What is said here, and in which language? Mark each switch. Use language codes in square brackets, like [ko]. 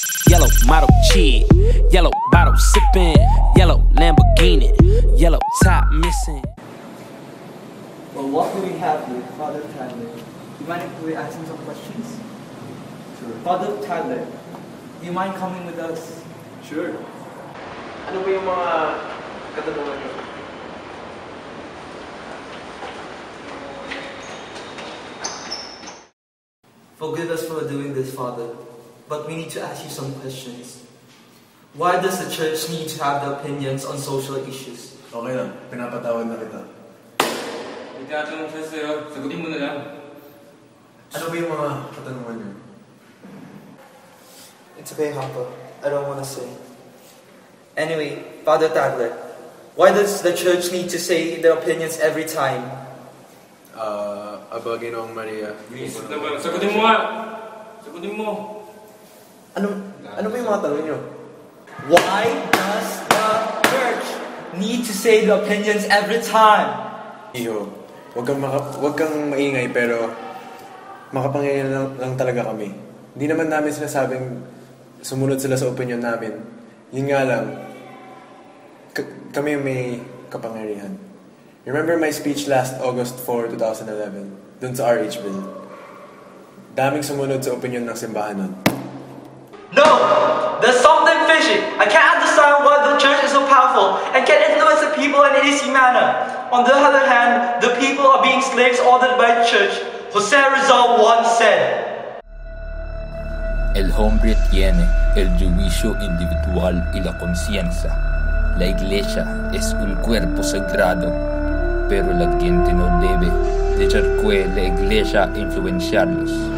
[en] Yellow model cheat. Yellow bottle sipping. Yellow Lamborghini. Yellow top missing. Well, what do we have here, Father Tyler? Do you mind if we ask him some questions? Sure. Father Tyler, do you mind coming with us? Sure. [tl] Ano ba yung mga katanungan niyo? [en] Forgive us for doing this, Father, but we need to ask you some questions. Why does the church need to have the opinions on social issues? [tl] Okay lang, pinapatawad na kita. May tatanong siya sa'yo, sagutin mo na lang. Ano ba yung mga katanungan niyo? [en] It's okay, Papa. I don't wanna say. Anyway, Father Tagler, why does the church need to say their opinions every time? [tl] Aba, Ginoong Maria. Isip naman. Sagutin mo nga! Sagutin mo! Ano ba yung mga tanong nyo? [en] Why does the church need to say the opinions every time? [tl] Iho, wag kang maingay pero makapangyayari lang talaga kami. Hindi naman namin sinasabing sumunod sila sa opinion namin. Yun nga lang, kami may kapangyarihan. [en] Remember my speech last August 4, 2011? [tl] Dun sa [en] RH bill. [tl] Daming sumunod sa opinion ng simbahan nun. [en] No! There's something fishy! I can't understand why the church is so powerful and can influence the people in an easy manner. On the other hand, the people are being slaves ordered by the church. Jose Rizal once said, [es] El hombre tiene el juicio individual y la conciencia. La iglesia es un cuerpo sagrado. Pero la gente no debe dejar que la iglesia influenciarlos.